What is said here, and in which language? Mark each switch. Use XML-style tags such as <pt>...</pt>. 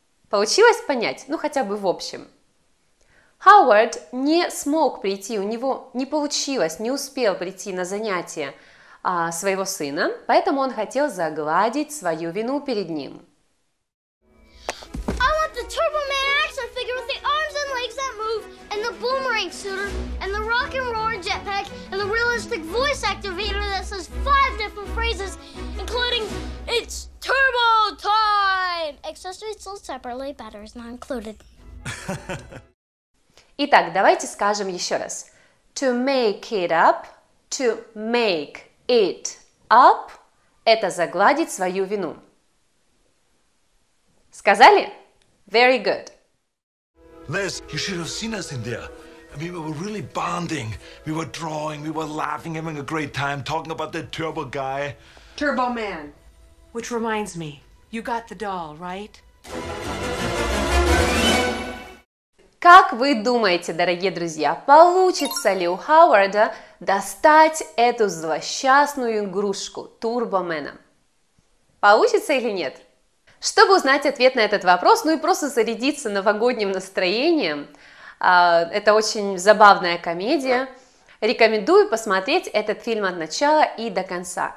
<ru>Получилось понять? Ну, хотя бы в общем. Howard не смог прийти, у него не получилось, не успел прийти на занятия своего сына, поэтому он хотел загладить свою вину перед ним.</ru> <en>I want the Turbo Man action figure with the arms and legs that move, and the boomerang suit, and the rock and roar jetpack, and the realistic voice activator that says five different phrases, including it's turbo time. Accessories sold separately, batteries not included.</en> <ru>Итак, давайте скажем еще раз.</ru> <en>To make it up, to make it up,</en> <ru>это загладить свою вину. Сказали?</ru> <en>Very good. Liz, you should have seen us in there. We were really bonding. We were drawing, we were laughing, having a great time, talking about that turbo guy. Turbo man. Which reminds me, you got the doll, right?</en> <ru>Как вы думаете, дорогие друзья, получится ли у Хауарда достать эту злосчастную игрушку Турбомена? Получится или нет? Чтобы узнать ответ на этот вопрос, ну и просто зарядиться новогодним настроением, это очень забавная комедия, рекомендую посмотреть этот фильм от начала и до конца.</ru>